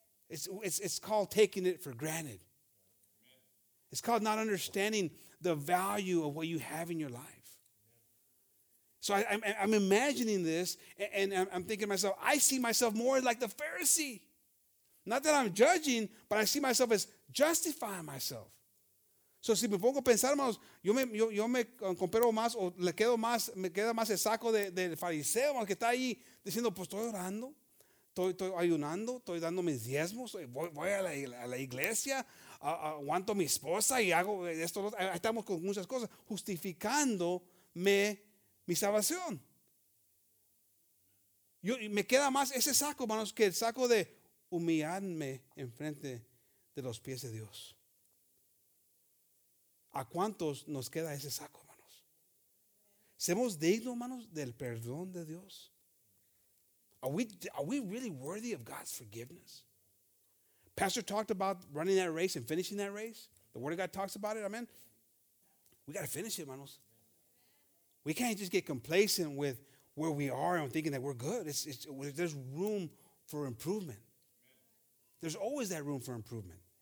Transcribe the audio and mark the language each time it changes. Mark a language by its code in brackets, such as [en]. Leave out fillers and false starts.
[en] It's called taking it for granted. It's called not understanding the value of what you have in your life. So I'm imagining this, and I'm thinking to myself, I see myself more like the Pharisee. Not that I'm judging, but I see myself as justifying myself. [es] So si me pongo a pensar, hermanos, yo me compro más o le quedo más, me queda más el saco del fariseo, hermanos, que está ahí diciendo, pues estoy orando. Estoy ayunando, estoy dando mis diezmos, voy a la iglesia, aguanto a mi esposa y hago esto. Estamos con muchas cosas justificándome mi salvación. Yo, me queda más ese saco, hermanos, que el saco de humillarme en frente de los pies de Dios. ¿A cuántos nos queda ese saco, hermanos? ¿Seremos dignos, hermanos, del perdón de Dios? [en] Are we really worthy of God's forgiveness? Pastor talked about running that race and finishing that race. The Word of God talks about it. Amen. We got to finish it, manos. We can't just get complacent with where we are and thinking that we're good. There's room for improvement. There's always that room for improvement.